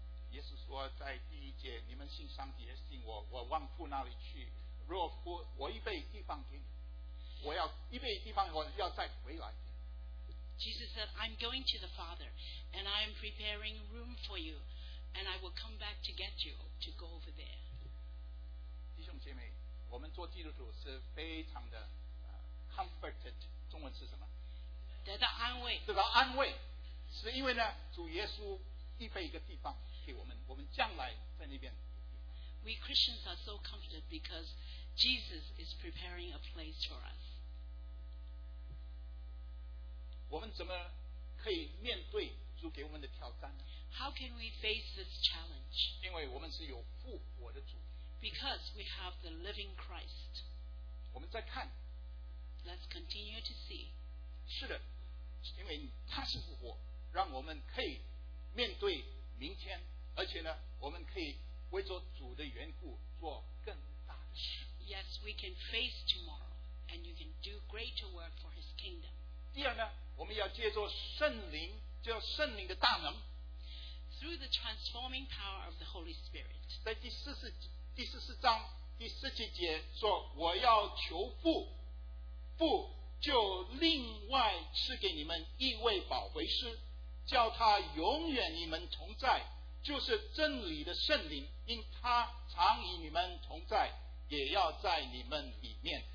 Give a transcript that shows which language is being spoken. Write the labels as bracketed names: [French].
[Chinese] 耶稣说，在第一节，你们信上帝也信我，我往父那里去。若不，我预备地方给你，我要预备地方，我要再回来。 [English] Jesus said, "I'm going to the Father, and I'm preparing room for you." And I will come back to get you to go over there. [Chinese] 弟兄姐妹，我们做基督徒是非常的 comforted. 中文是什么？得到安慰。得到安慰，是因为呢，主耶稣预备一个地方给我们，我们将来在那边。 [English] We Christians are so comforted because Jesus is preparing a place for us. [Chinese] 我们怎么可以面对主给我们的挑战呢？ [English] How can we face this challenge? [Chinese] 因为我们是有复活的主。 [English] Because we have the living Christ. [Chinese] 我们再看。 [English] Let's continue to see. [Chinese] 是的，因为他是复活，让我们可以面对明天，而且呢，我们可以为着主的缘故做更大的事。 [English] Yes, we can face tomorrow, and you can do greater work for His kingdom. [Chinese] 第二呢，我们要借着圣灵，借着圣灵的大能。 [English] Through the transforming power of the Holy Spirit. [Chinese] 在第十四章第十七节说，我要求父，父就另外赐给你们一位保惠师，叫他永远你们同在，就是真理的圣灵，因他常与你们同在，也要在你们里面。